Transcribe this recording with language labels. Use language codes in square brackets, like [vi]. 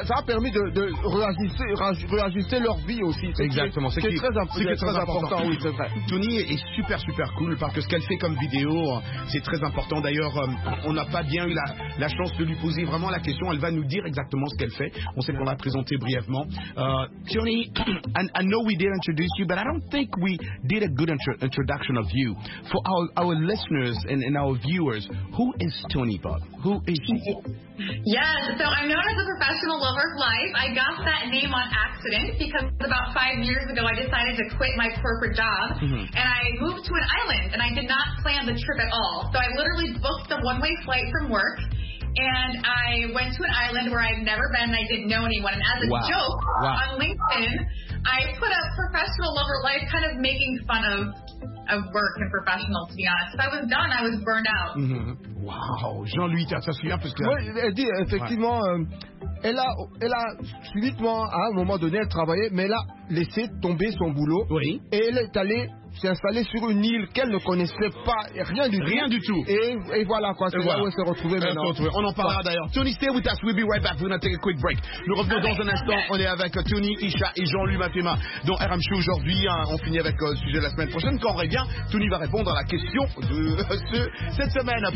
[fr] Et ça a permis de réajuster leur vie aussi. Exactement. C'est très important. Oui, c'est vrai. Tony est super, super cool parce que ce qu'elle fait comme vidéo, c'est très important. D'ailleurs, on n'a pas bien eu la chance de lui poser vraiment la question. Elle va nous dire exactement ce qu'elle fait. On sait qu'on l'a présenté brièvement. [en] Tony, I know we did introduce you, but I don't think we... did a good introduction of you. For our listeners and our viewers, who is Tony Bob? Who is she? Yes, so I'm known as a professional lover of life. I got that name on accident because about 5 years ago I decided to quit my corporate job and I moved to an island and I did not plan the trip at all. So I literally booked a one-way flight from work and I went to an island where I've never been and I didn't know anyone. And as a joke on LinkedIn, I put up professional lover life, kind of making fun of work and professionals, to be honest. If I was done, I was burned out. [fr] Wow, Jean-Louis, tu as ça suivi parce que... Oui, elle dit, effectivement, elle a subitement, à un moment donné, elle travaillait, mais elle a laissé tomber son boulot. Oui. Et elle est allée s'installer sur une île qu'elle ne connaissait pas, rien du tout. Et voilà quoi, là où elle s'est retrouvée maintenant. On en parlera d'ailleurs. [en] Tony, stay with us, we'll be right back, we're going to take a quick break. [fr] Nous revenons dans un instant, on est avec Tony, Isha et Jean-Louis Mathéma, dont RMC aujourd'hui, on finit avec le sujet de la semaine prochaine. Quand on revient, Tony va répondre à la question de cette semaine.